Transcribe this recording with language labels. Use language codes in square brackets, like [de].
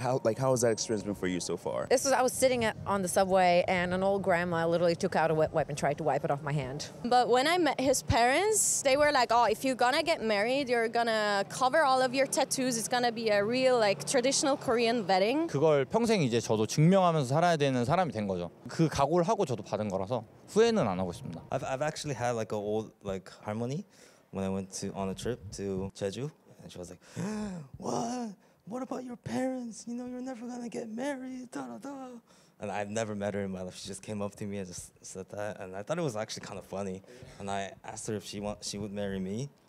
[en] How has that experience been for you so far? This was, I was sitting on the subway and an old grandma literally took out a wet wipe and tried to wipe it off my hand. But when I met his parents, they were like, "Oh, if you're gonna get married, you're gonna cover all of your tattoos. It's gonna be a real like traditional Korean wedding." [ko] 그걸 평생 이제 저도 증명하면서 살아야 되는 사람이 된 거죠. 그 각오를 하고 저도 받은 거라서 후회는 안 하고 있습니다. [en] I've actually had like an old like harmony when I went to on a trip to Jeju. And she was like, what about your parents? You know, you're never gonna get married, da da da. And I've never met her in my life. She just came up to me and just said that. And I thought it was actually kind of funny. And I asked her if she would marry me.